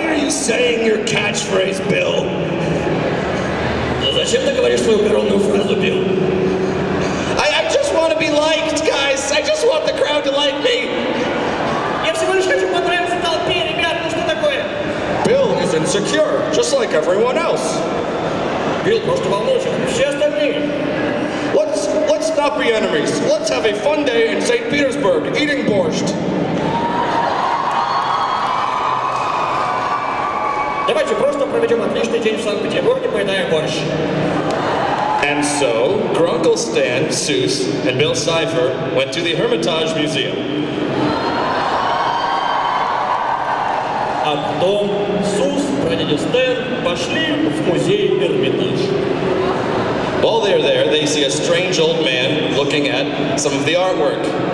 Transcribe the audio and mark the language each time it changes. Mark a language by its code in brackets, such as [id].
[en] Saying your catchphrase, Bill. [ru] Зачем ты говоришь свою коронную фразу, Билл? [en] I just want to be liked, guys. I just want the crowd to like me. [ru] Я всего лишь хочу понравиться толпе, ребят. Ну что такое? [en] Bill is insecure, just like everyone else. [ru] Билл просто волнуется, как все остальные. [en] Let's not be enemies. Let's have a fun day in St. Petersburg, eating borscht. [ru] Давайте просто проведем отличный день в Санкт-Петербурге, поедая борщ. [en] And so, Grunkle Stan, СУС, and Bill Cipher went to the Hermitage Museum. [ru] А потом СУС, прадядя Стэн, пошли в музей Эрмитаж. [en] While they're there, they see a strange old man looking at some of the artwork.